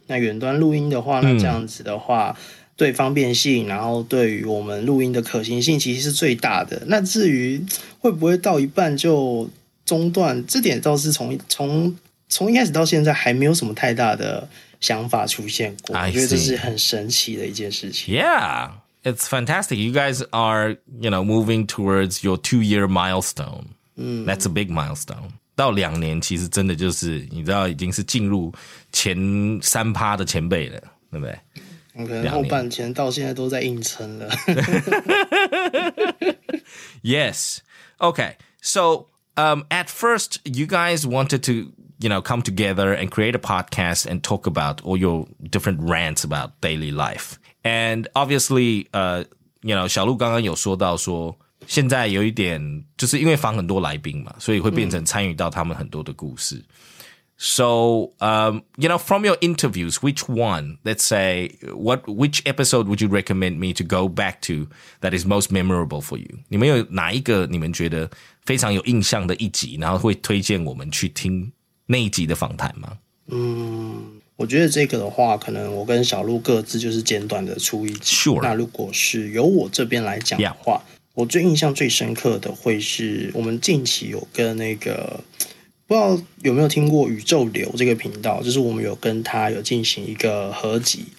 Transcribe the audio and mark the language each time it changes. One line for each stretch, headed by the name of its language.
Chinese: 那远端录音的话，那这样子的话、对方便性，然后对于我们录音的可行性其实是最大的。那至于会不会到一半就中断，这点倒是从一开始到现在还没有什么太大的想法出现过。
English: I see.
Chinese: 我觉得这是很神奇的一件事情。
English: Yeah, it's fantastic. You guys are, you know, moving towards your 2-year milestone. That's a big milestone.
Chinese: 到两年其实真的就是你知道已经是进入前 3% 的前辈了，对不对？可能后半前到现在都在硬撑了。
English: Yes. Okay. So, at first, you guys wanted to, you know, come together and create a podcast and talk about all your different rants about daily life. And obviously, you know,
Chinese: 小鹿刚刚有说到说现在有一点就是因为访很多来宾嘛，所以会变成参与到他们很多的故事。
English: So, you know, from your interviews, which one, let's say, which episode would you recommend me to go back to that is most memorable for you?
Chinese: 你们有哪一个你们觉得非常有印象的一集，然后会推荐我们去听那一集的访谈吗？我觉得这个的话可能我跟小鹿各自就是简短的出一集。
English: Sure.
Chinese: 那如果是由我这边来讲的话、
English: yeah.
Chinese: 我最印象最深刻的会是我们近期有跟那个不知道有没有听过宇宙流这个频道，就是我们有跟他有进行一个合集、